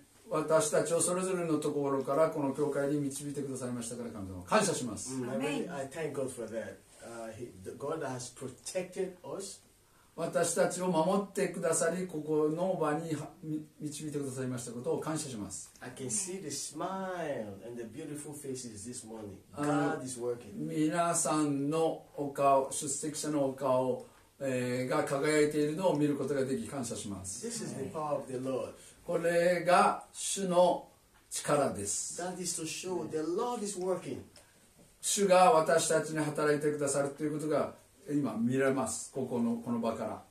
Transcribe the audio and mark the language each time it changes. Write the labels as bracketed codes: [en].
[ja] 私たちをそれぞれのところからこの教会に導いてくださいましたから神様、感謝します。 [en] I thank God for that. God has protected us. [ja] 私たちを守ってくださり、ここの場に導いてくださいましたことを感謝します。 [en] I can see the smile and the beautiful faces this morning. God is working. [ja] 皆さんのお顔、出席者のお顔、が輝いているのを見ることができ、感謝します。 [en] This is the power of the Lord. [ja] これが主の力です。 [en] That is to show the Lord is working. [ja] 主が私たちに働いてくださるということが、今見れますここのこの場から。